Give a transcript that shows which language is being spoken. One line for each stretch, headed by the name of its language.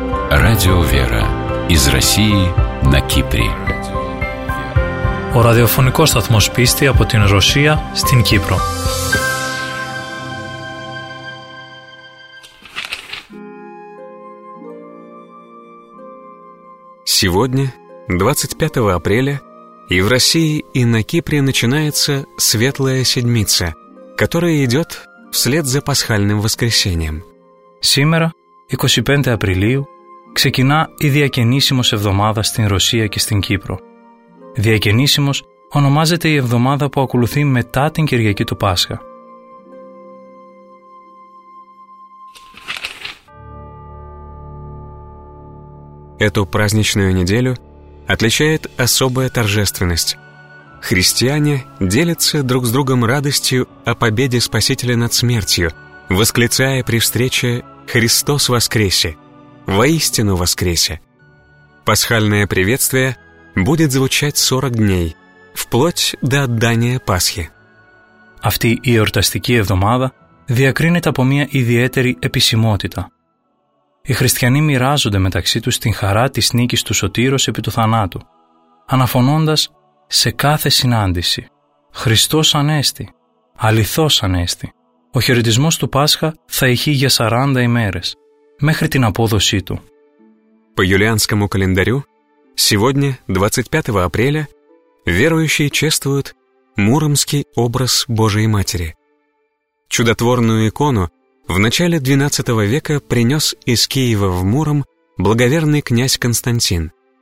Russian: Радио «Вера» из России на Кипре.
Greek: Ο ραδιοφωνικός σταθμός πίστη από την Ρωσία στην Κύπρο.
Russian: Сегодня, 25 апреля, и в России, и на Кипре начинается Светлая Седмица, которая идет вслед за Пасхальным Воскресением. Сегодня, 25 апреля,
Greek: ξεκινά η διακαινήσιμος εβδομάδα στην Ρωσία και στην Κύπρο. Διακαινήσιμος ονομάζεται η εβδομάδα που ακολουθεί μετά την Κυριακή του Πάσχα.
Russian: Эту праздничную неделю отличает особая торжественность. Христиане делятся друг с другом радостью о победе Спасителя над смертью, восклицая при встрече «Христос воскресе!» «Воистину воскресе!» Пасхальное приветствие будет звучать 40 дней, вплоть до отдания Пасхи.
Greek: Αυτή η εορταστική εβδομάδα διακρίνεται από μια ιδιαίτερη επισημότητα. Οι χριστιανοί μοιράζονται μεταξύ τους την χαρά της νίκης του Σωτήρος επί του θανάτου, αναφωνώντας σε κάθε συνάντηση «Χριστός Ανέστη», «Αληθώς Ανέστη». Ο χαιρετισμός του Πάσχα θα ηχεί για 40 ημέρες, μέχρι την απόδοσή του.
Russian: По юлианскому календарю, сегодня, 25 апреля, верующие чествуют муромский образ Божией Матери. Чудотворную икону в начале 12 века принес из Киева в Муром благоверный князь Константин.